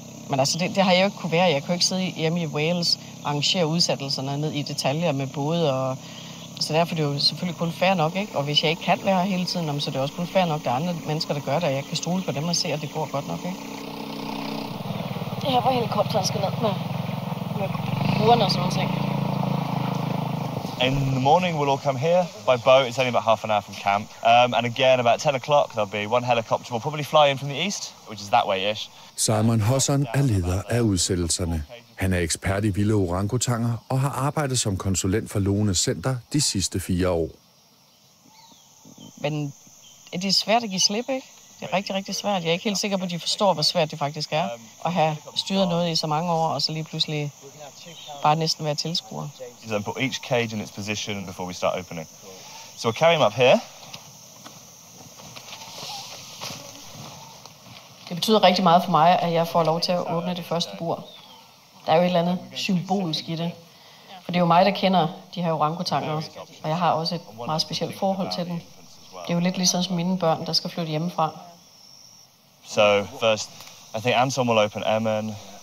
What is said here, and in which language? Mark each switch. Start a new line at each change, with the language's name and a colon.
Danish: Men altså, det har jeg jo ikke kunne være. Jeg kunne ikke sidde hjemme i Wales og arrangere udsættelserne ned i detaljer med både og... Så derfor det er det jo selvfølgelig kun fair nok, ikke? Og hvis jeg ikke kan være her hele tiden, så er det også kun fair nok, der er andre mennesker, der gør det, og jeg kan stole på dem og se, at det går godt nok, ikke? Det her, hvor helikopteren skal ned med buren og sådan noget.
English: In the morning, we'll all come here by boat. It's only about half an hour from camp. And again, about 10 o'clock, there'll be one helicopter. We'll probably fly in from the east, which is that way-ish.
Danish: Simon Hosson er leder af udsættelserne. Han er ekspert i vilde orangutanger og har arbejdet som konsulent for Lones Center de sidste 4 år. Men det er svært at give slip, ikke? Det er rigtig, rigtig svært. Jeg er ikke helt sikker på, at de forstår, hvor svært det faktisk er at have styret noget i så mange år, og så lige pludselig bare næsten være tilskuer. Vi skal putte
English: each cage in its position before we start opening. So we'll carry him up here.
Danish: Det betyder rigtig meget for mig, at jeg får lov til at åbne det første bur. Der er jo et eller andet symbolisk i det. For det er jo mig, der kender de her orangutanger, og jeg har også et meget specielt forhold til dem. Det er jo lidt ligesom mine børn, der skal flytte hjemmefra.
English: So first, I think Anton will open Emin.